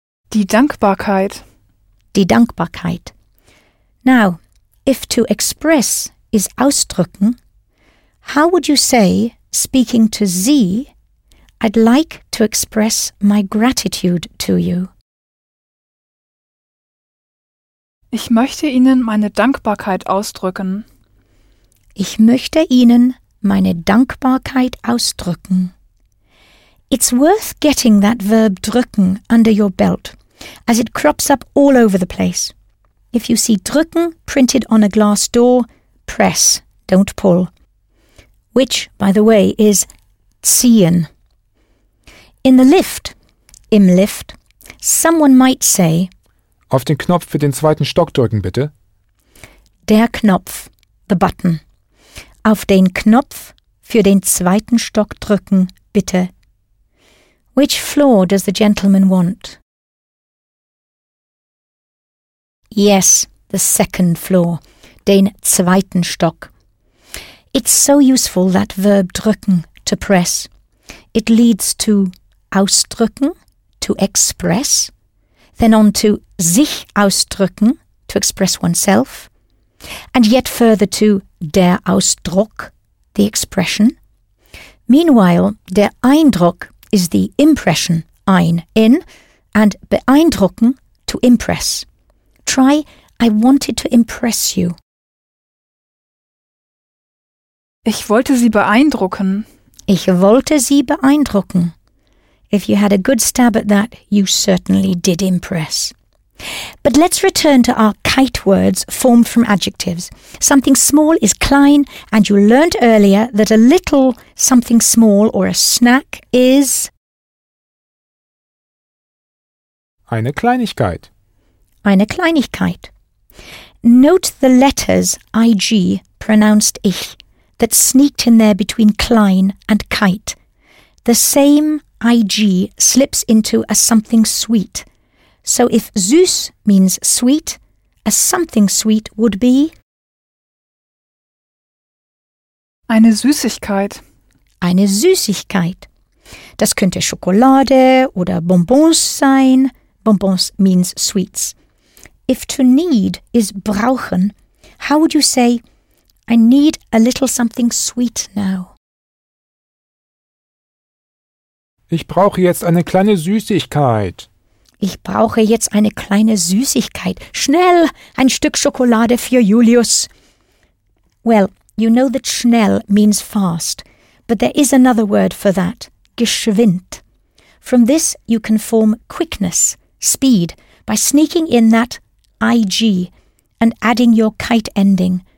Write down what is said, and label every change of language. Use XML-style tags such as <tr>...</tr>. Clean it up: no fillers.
<de>die Dankbarkeit. Die Dankbarkeit.</de> <en>Now, if to express is ausdrücken, how would you say, speaking to Sie, I'd like to express my gratitude to you?</en> <de>Ich möchte Ihnen meine Dankbarkeit ausdrücken. Ich möchte Ihnen meine Dankbarkeit ausdrücken.</de> <en>It's worth getting that verb drücken under your belt, as it crops up all over the place. If you see drücken printed on a glass door, press, don't pull. Which, by the way, is ziehen. In the lift, im Lift, someone might say,</en> <de>auf den Knopf für den zweiten Stock drücken, bitte. Der Knopf,</de> <en>the button.</en> <de>Auf den Knopf für den zweiten Stock drücken, bitte.</de> <en>Which floor does the gentleman want? Yes, the second floor, den zweiten Stock. It's so useful, that verb drücken, to press. It leads to ausdrücken, to express, then on to sich ausdrücken, to express oneself, and yet further to der Ausdruck, the expression. Meanwhile, der Eindruck is the impression, ein, in, and beeindrucken, to impress. Try, I wanted to impress you.</en> <de>Ich wollte Sie beeindrucken. Ich wollte Sie beeindrucken.</de> <en>If you had a good stab at that, you certainly did impress. But let's return to our kite words formed from adjectives. Something small is klein, and you learnt earlier that a little something small or a snack is</en> <de>eine Kleinigkeit. Eine Kleinigkeit.</de> <en>Note the letters IG, pronounced ich, that sneaked in there between klein and kite. The same IG slips into a something sweet. So if süß means sweet, a something sweet would be</en> <de>eine Süßigkeit. Eine Süßigkeit. Das könnte Schokolade oder Bonbons sein.</de> <en>Bonbons means sweets. If to need is brauchen, how would you say, I need a little something sweet now?</en> <de>Ich brauche jetzt eine kleine Süßigkeit. Ich brauche jetzt eine kleine Süßigkeit. Schnell, ein Stück Schokolade für Julius.</de> <en>Well, you know that schnell means fast, but there is another word for that, geschwind. From this you can form quickness, speed, by sneaking in that IG and adding your kite ending.</en>